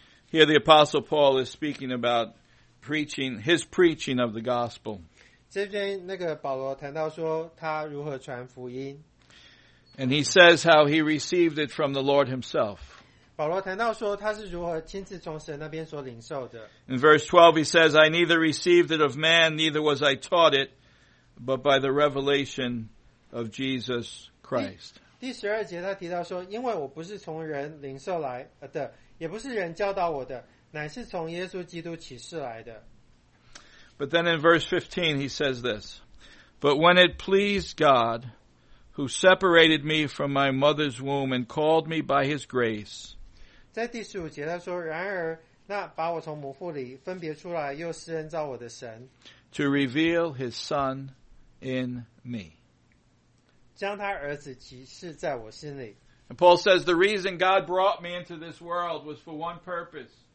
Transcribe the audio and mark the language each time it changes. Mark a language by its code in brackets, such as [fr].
[en] Here the Apostle Paul is speaking about preaching, his preaching of the gospel. [zh] 这边那个保罗谈到说他如何传福音。 [en] And he says how he received it from the Lord himself. [zh] 保罗谈到说他是如何亲自从神那边所领受的。 [en] In verse 12 he says, I neither received it of man, neither was I taught it, but by the revelation of Jesus Christ. [zh] 第十二节他提到说,因为我不是从人领受来的, 也不是人教导我的, 乃是从耶稣基督启示来的。 [en] But then in verse 15 he says this, But when it pleased God, who separated me from my mother's womb and called me by his grace, [zh] 在第十五节他说, 然而那把我从母腹里分别出来, 又施恩召我的神, [en] to reveal his son in me. [zh] 将他儿子启示在我心里。 [en] And Paul says the reason God brought me into this world was for one purpose.